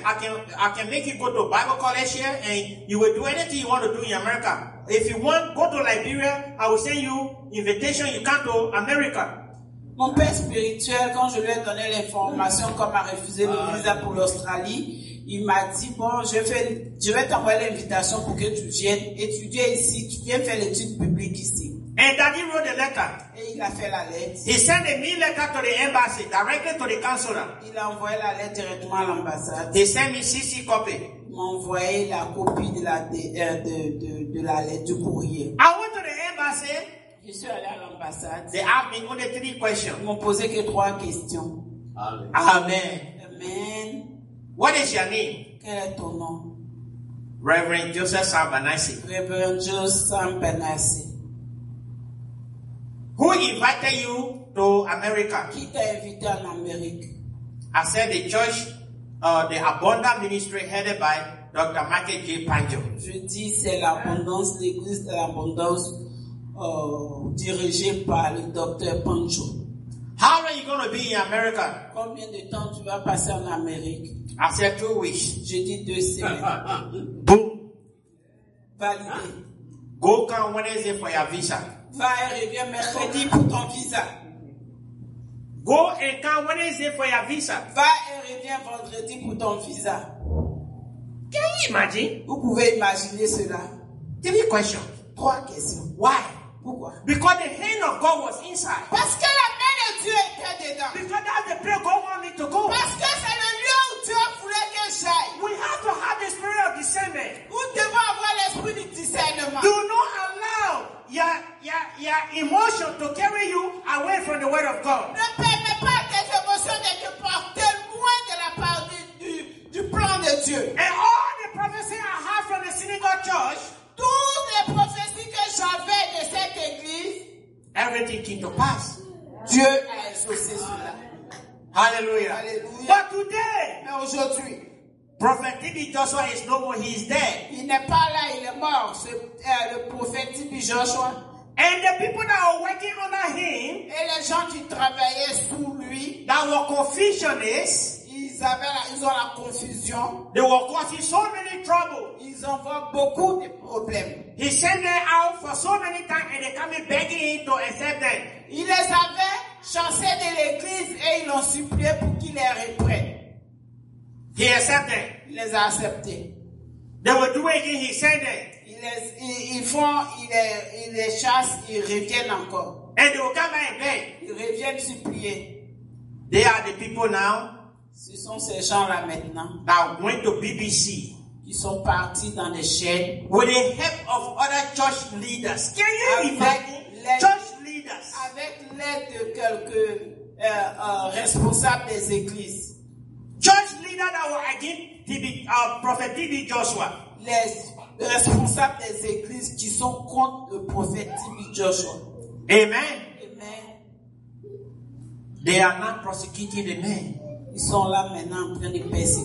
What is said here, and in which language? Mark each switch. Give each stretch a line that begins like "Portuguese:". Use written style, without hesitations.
English: I can make you go to Bible college here and you will do anything you want to do in America. If you want, go to Liberia. I will send you invitation. You come to America.
French: Mon père spirituel, quand je lui ai donné l'information comme a refusé le visa pour l'Australie, il m'a dit, bon, je vais t'envoyer l'invitation pour que tu viennes étudier ici. Tu viens faire l'étude publique ici.
English: And daddy wrote the letter.
French: Et il a fait la lettre.
English: He sent a mail letter to the embassy, directly to the consulat.
French: Il a envoyé la lettre directement à l'ambassade.
English: He sent me CC copy.
French: Il m'a envoyé la copie de la lettre du courrier.
English: I went to the embassy.
French: Je suis allé à l'ambassade.
English: They asked me only 3 questions.
French: Ils m'ont posé que 3 questions.
English: Amen.
French: Amen.
English: What is your name?
French: Quel est ton nom?
English: Reverend Joseph Sambanasi.
French: Reverend Joseph Sambanasi.
English: Who invited you to America?
French: Qui t'a invité en Amérique?
English: I said the church, the abundant ministry headed by Dr. Michael J. Pancho.
French: Je dis c'est l'abondance, l'église de l'abondance dirigée par le Dr. Pancho.
English: How are you going to be in America?
French: Combien de temps tu vas passer en Amérique?
English: I said 2 weeks.
French: Je dis 2 semaines.
English: Boom.
French: Validé.
English: Go come Wednesday for your visa.
French: Va et reviens mercredi pour ton visa.
English: Go and come Wednesday for your visa.
French: Va et reviens vendredi pour ton visa.
English: Can you imagine?
French: Vous pouvez imaginer cela.
English: 3 questions.
French: 3 questions.
English: Why?
French: Pourquoi?
English: Because the hand of God was inside.
French: Parce que la main de Dieu était dedans.
English: Because that's the place God wanted me to go.
French: Parce que c'est le lieu où Dieu voulait que j'aille.
English: We have to have the spirit of discernment.
French: Nous devons avoir l'esprit du discernement.
English: Do not allow your emotion to carry you away from the word of God.
French: Ne permets pas tes émotions de te porter loin de la part du plan de Dieu.
English: And all the prophecies I have from the synagogue church.
French: Toutes les prophéties que j'avais de cette église.
English: Everything came to pass.
French: Dieu a exaucé cela.
English: Hallelujah.
French: Hallelujah.
English: But today.
French: Mais aujourd'hui.
English: Prophet T.B. Joshua is no more, he is dead.
French: Il n'est pas là, il est mort, le prophète T.B. Joshua.
English: And the people that are working under him,
French: et les gens qui travaillaient sous lui,
English: that were confusionists,
French: ils ont la confusion.
English: They were causing so many trouble.
French: Ils envoient beaucoup de problèmes.
English: He sent them out for so many times and they come begging him to accept them.
French: Il les avait chassés de l'église et ils l'ont supplié pour qu'il les reprenne.
English: He accepted.
French: Il les a acceptés.
English: They will do it again. He said it.
French: Ils les chassent. Ils reviennent encore.
English: And they will come back.
French: Ils reviennent supplier.
English: They are the people now.
French: Ce sont ces gens-là maintenant.
English: That went to BBC.
French: Ils sont partis dans les chaînes.
English: With the help of other church leaders. Can you imagine? Church leaders.
French: Avec l'aide de quelques responsables des églises.
English: Church leader that were against Prophet T.B. Joshua.
French: Les responsables des églises qui sont contre le prophète T.B. Joshua.
English: Amen.
French: Amen.
English: They are not prosecuting the man.
French: Ils sont là maintenant en train de persécuter.